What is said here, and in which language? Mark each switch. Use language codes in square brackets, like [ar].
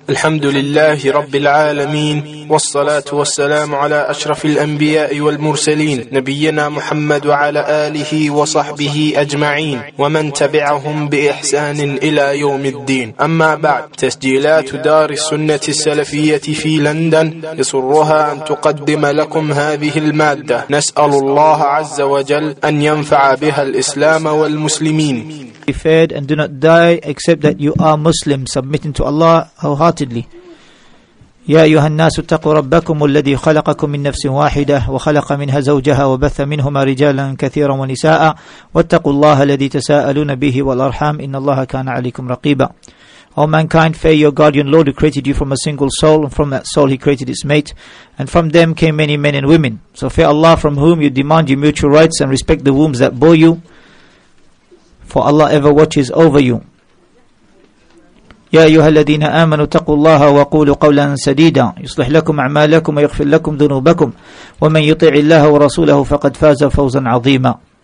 [ar] الحمد لله رب العالمين، والصلاة والسلام على أشرف الأنبياء والمرسلين، نبينا محمد وعلى آله وصحبه أجمعين، ومن تبعهم بإحسان إلى يوم الدين. أما بعد، تسجيلات دار السنة السلفية في لندن يسرها أن تقدم لكم هذه المادة. نسأل الله عز وجل أن ينفع بها الإسلام والمسلمين. [en] Be feared and do not die except that you are Muslim, submitting to Allah wholeheartedly. [ar] يا أيها الناس اتقوا ربكم الذي خلقكم من نفس واحدة وخلق منها زوجها وبث منهما رجالا كثيرا ونساء واتقوا الله الذي تساءلون به والأرحام إن الله كان عليكم رقيبا. [en] O mankind, fear your guardian Lord who created you from a single soul, and from that soul he created its mate, and from them came many men and women. So fear Allah, from whom you demand your mutual rights, and respect the wombs that bore you, for Allah ever watches over you. [ar] يا أيها الذين آمنوا اتقوا الله وقولوا قولا سديدا يصلح لكم أعمالكم ويغفر لكم ذنوبكم ومن يطيع الله ورسوله فقد فاز فوزا عظيما.